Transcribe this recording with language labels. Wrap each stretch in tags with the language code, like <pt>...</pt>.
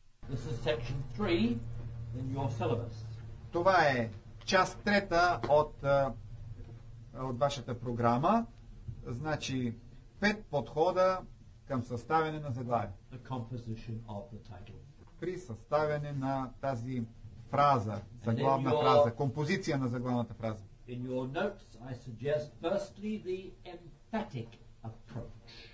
<en>This is section 3 in your syllabus.</en> <bg>Това е част трета от вашата програма. Значи, пет подхода към съставяне на заглавие.</bg> <en>The composition of the title.</en> <bg>При съставяне на тази фраза, заглавна фраза, композиция на заглавната фраза.</bg> <en>In your notes, I suggest firstly the emphatic approach.</en>